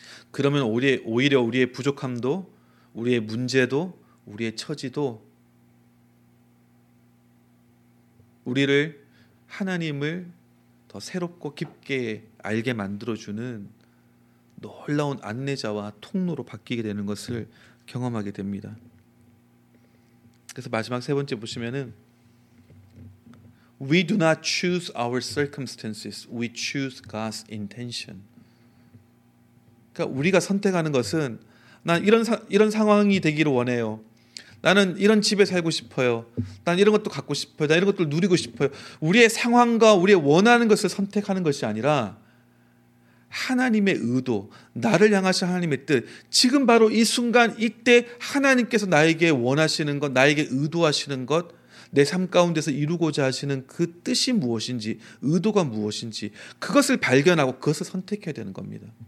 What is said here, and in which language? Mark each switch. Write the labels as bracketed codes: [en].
[ko] 그러면 오히려 우리의 부족함도 우리의 문제도 우리의 처지도 우리를 하나님을 더 새롭고 깊게 알게 만들어주는 놀라운 안내자와 통로로 바뀌게 되는 것을 경험하게 됩니다. 그래서 마지막 세 번째 보시면은 [en] We do not choose our circumstances. We choose God's intention. [ko] 그러니까 우리가 선택하는 것은 난 이런 상황이 되기를 원해요. 나는 이런 집에 살고 싶어요. 난 이런 것도 갖고 싶어요. 난 이런 것들 누리고 싶어요. 우리의 상황과 우리의 원하는 것을 선택하는 것이 아니라 하나님의 의도, 나를 향하신 하나님의 뜻, 지금 바로 이 순간 이때 하나님께서 나에게 원하시는 것, 나에게 의도하시는 것, 내 삶 가운데서 이루고자 하시는 그 뜻이 무엇인지, 의도가 무엇인지 그것을 발견하고 그것을 선택해야 되는 겁니다.